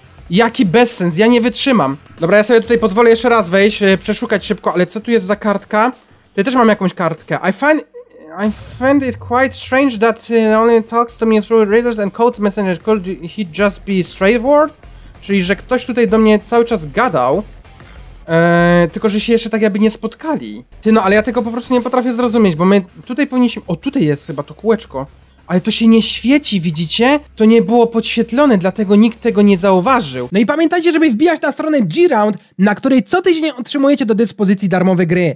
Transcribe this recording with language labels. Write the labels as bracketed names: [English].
[Polish] Jaki bezsens, ja nie wytrzymam. Dobra, ja sobie tutaj pozwolę jeszcze raz wejść, przeszukać szybko, ale co tu jest za kartka? Tutaj też mam jakąś kartkę. [English] I find it quite strange that he only talks to me through readers and code messengers. Could he just be straightforward? [Polish] Czyli, że ktoś tutaj do mnie cały czas gadał. Tylko, że się jeszcze tak jakby nie spotkali. Ty, no ale ja tego po prostu nie potrafię zrozumieć, bo my tutaj powinniśmy... O, tutaj jest chyba to kółeczko. Ale to się nie świeci, widzicie? To nie było podświetlone, dlatego nikt tego nie zauważył. No i pamiętajcie, żeby wbijać na stronę G-Round, na której co tydzień otrzymujecie do dyspozycji darmowe gry.